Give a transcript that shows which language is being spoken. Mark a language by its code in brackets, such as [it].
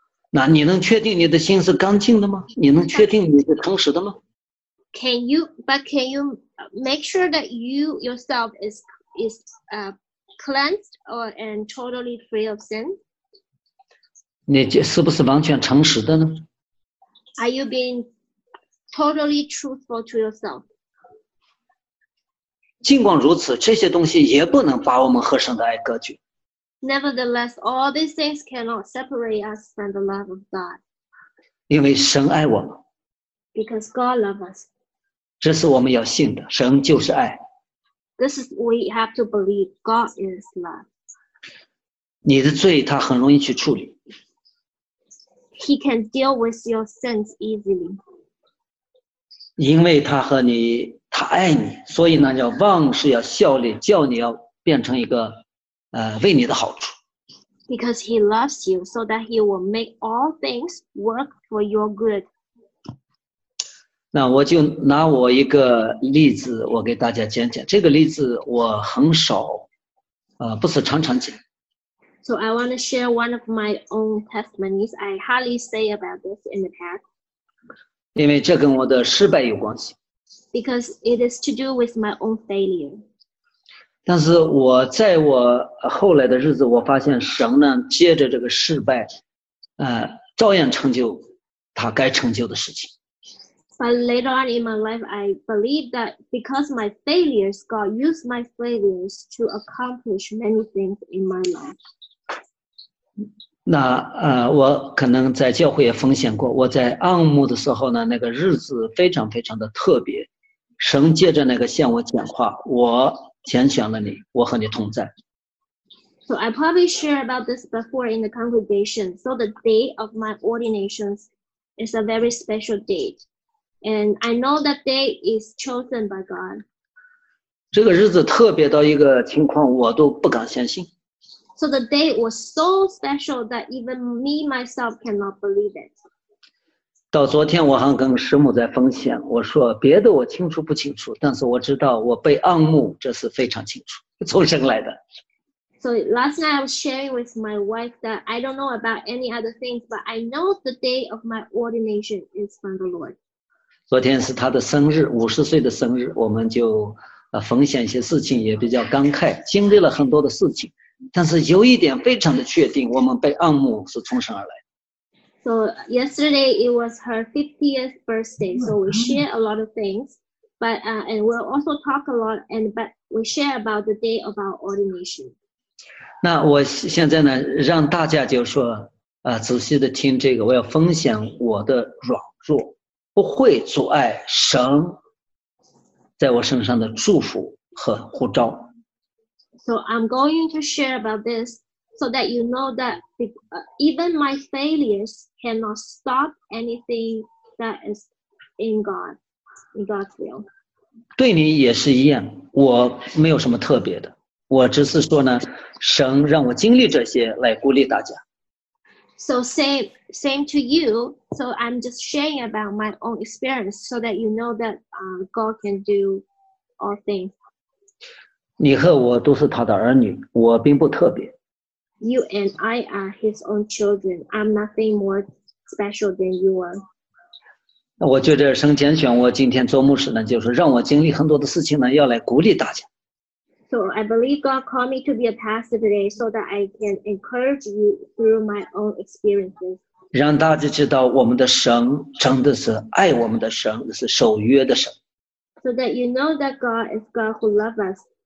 [zh] 那你能确定你的心是干净的吗？你能确定你是诚实的吗 [en] ？Can you? But can you make sure that you yourself is cleansed or and totally free of sin? [zh] 你是不是完全诚实的呢 [en] ？Are you being totally truthful to yourself? [zh] 尽管如此，这些东西也不能把我们和神的爱隔绝。 [en] Nevertheless, all these things cannot separate us from the love of God. [zh] 因为神爱我们。 [en] Because God loves us. [zh] 这是我们要信的，神就是爱。 [en] This is we have to believe God is love. [zh] 你的罪他很容易去处理。 [en] He can deal with your sins easily. [zh] 因为他和你，他爱你，所以呢，要忘是要效力，叫你要变成一个，为你的好处。 [en] Because he loves you, so that he will make all things work for your good. [zh] 那我就拿我一个例子，我给大家讲讲。这个例子我很少，不是常常讲。 [en] So I want to share one of my own testimonies. I hardly say about this in the past. [zh] 因为这跟我的失败有关系。 [en] Because it is to do with my own failure. [zh] 但是我在我后来的日子，我发现神呢，借着这个失败，照样成就他该成就的事情。 [en] But later on in my life, I believe that because my failures, God used my failures to accomplish many things in my life. [zh] 那我可能在教会也分享过，我在暗牧的时候呢，那个日子非常非常的特别。神借着那个向我讲话，我拣选了你，我和你同在。 [en] So I probably shared about this before in the congregation. So the day of my ordinations is a very special date. And I know that day is chosen by God. [zh] 这个日子特别到一个情况，我都不敢相信。 [en] So the day was so special that even me myself cannot believe it. [zh] 到昨天我还跟师母在分享，我说别的我清楚不清楚，但是我知道我被暗牧，这是非常清楚，从神来的。 [en] So last night I was sharing with my wife that I don't know about any other things, but I know the day of my ordination is from the Lord. [zh] 昨天是他的生日，50岁的生日，我们就分享一些事情，也比较感慨，经历了很多的事情。但是有一点非常的确定，我们被暗牧是从神而来。 [en] So yesterday it was her 50th birthday, so we share a lot of things, but and we'll also talk a lot, and but we share about the day of our ordination. [zh] 那我现在呢，让大家就说仔细的听这个，我要分享我的软弱，不会阻碍神在我身上的祝福和呼召。 [en] So I'm going to share about this so that you know that even my failures cannot stop anything that is in God, in God's will. [zh] 对你也是一样，我没有什么特别的，我只是说呢，神让我经历这些来鼓励大家。 [en] So same to you, so I'm just sharing about my own experience so that you know that God can do all things. [zh] 你和我都是他的儿女，我并不特别。 [en] You and I are his own children. I'm nothing more special than you are. [zh] 我觉得神拣选我今天做牧师呢，就是让我经历很多的事情呢，要来鼓励大家。 [en] So I believe God called me to be a pastor today so that I can encourage you through my own experiences. [zh] 让大家知道我们的神真的是爱我们的神，是守约的神。 [en] So that you know that God is God who loves us.